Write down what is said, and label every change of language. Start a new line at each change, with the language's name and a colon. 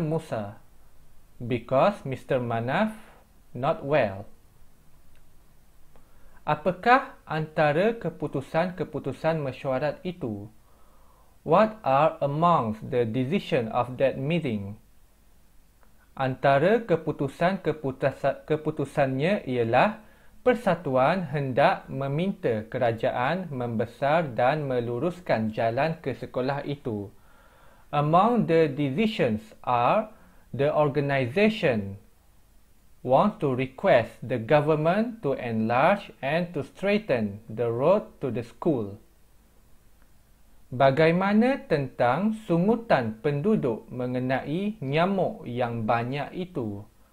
English: Musa, because Mr. Manaf not well.
Malay: Apakah antara keputusan-keputusan mesyuarat itu?
English: What are amongst the decision of that meeting?
Malay: Antara keputusan-keputusannya ialah Persatuan hendak meminta kerajaan membesar dan meluruskan jalan ke sekolah itu.
English: Among the decisions are the organization want to request the government to enlarge and to straighten the road to the school.
Malay: Bagaimana tentang sungutan penduduk mengenai nyamuk yang banyak itu?